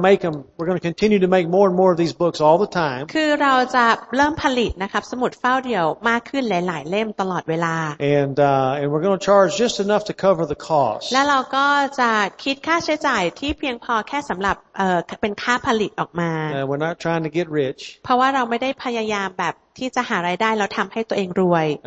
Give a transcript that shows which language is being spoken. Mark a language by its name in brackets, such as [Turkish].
[English] And we're going to continue to make more and more of these books all the time. [Thai] คือเราจะเริ่มผลิตนะครับสมุดเฝ้าเดี่ยวมากขึ้นหลายๆเล่มตลอดเวลา [English] And we're going to charge just enough to cover the cost. [Thai] และเราก็จะคิดค่าใช้จ่ายที่เพียงพอแค่สำหรับเป็นค่าผลิตออกมา [English] We're not trying to get rich. [Thai] เพราะว่าเราไม่ได้พยายามแบบที่จะหารายได้เราทำให้ตัวเองรวย